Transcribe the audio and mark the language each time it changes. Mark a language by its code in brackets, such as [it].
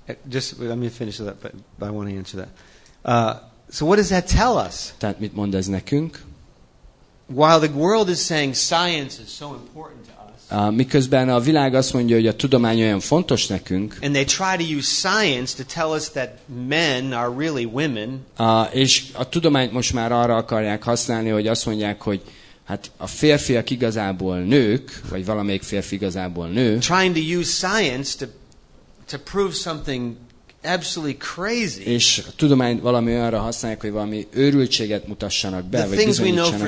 [en] Just let me finish that, but I want to answer that. So what does that tell us? [hu] Tehát mit mond ez nekünk? [en] While the world is saying science is so important to us. [hu] Miközben a világ azt mondja, hogy a tudomány olyan fontos nekünk. [en] And they try to use science to tell us that men are really women. [hu] És a tudományt most már arra akarják használni, hogy azt mondják, hogy hát a férfiak igazából nők, vagy valamelyik férfi igazából nő. [en] Trying to use science to prove something absolutely crazy. [hu] És a tudomány valami olyanra használják, hogy valami őrültséget mutassanak be, vagy bizonyítsanak.